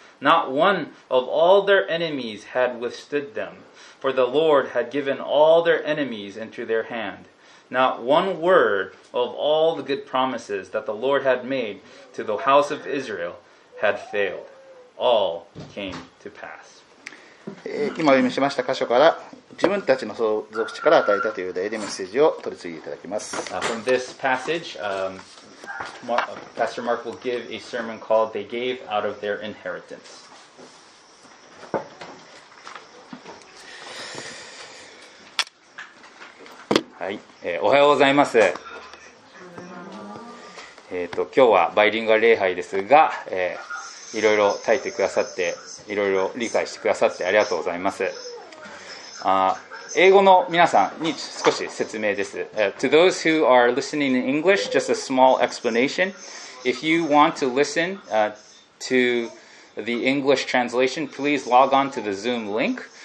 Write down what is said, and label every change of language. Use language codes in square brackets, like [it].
[en] Not one of all their enemies had withstood them, for the Lord had given all their enemies into their hand. Not one word of all the good promises that the Lord had made to the house of Israel had failed. All came to pass. [ja] 今お読みしました箇所から自分たちの相続地から与えたという例でメッセージを取り次いでいただきます。 [en] From this passage, Pastor Mark will give a sermon called They Gave Out of Their Inheritance. [ja] はい、おはようございます。今日はバイリンガル礼拝ですが、いろいろ耐えてくださっていろいろ理解してくださってありがとうございます。英語の皆さんに少し説明です。 [en] To those who are listening in English, just a small explanation. If you want to listen to the English translation, please log on to the Zoom link.